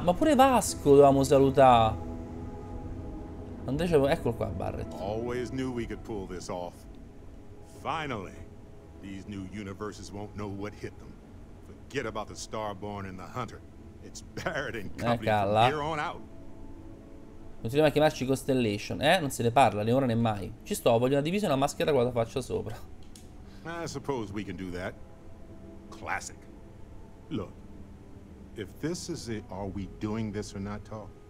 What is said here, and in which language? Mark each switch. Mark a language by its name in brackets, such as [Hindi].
[Italian] Ma pure Vasco dovevamo salutare. Andrea, eccolo qua Barrett. [English] Always knew we could pull this off. Finally. These new universes won't know what hit them. Forget about the Starborn and the Hunter. It's Barrett and company from here on out. [Italian] Continuiamo a chiamarci Constellation. Non se ne parla, né ora né mai. Ci sto, voglio una divisa e una maschera con la faccia sopra. [English] I suppose we can do that. Classic. Look, if this is it, are we doing this or not, Tall?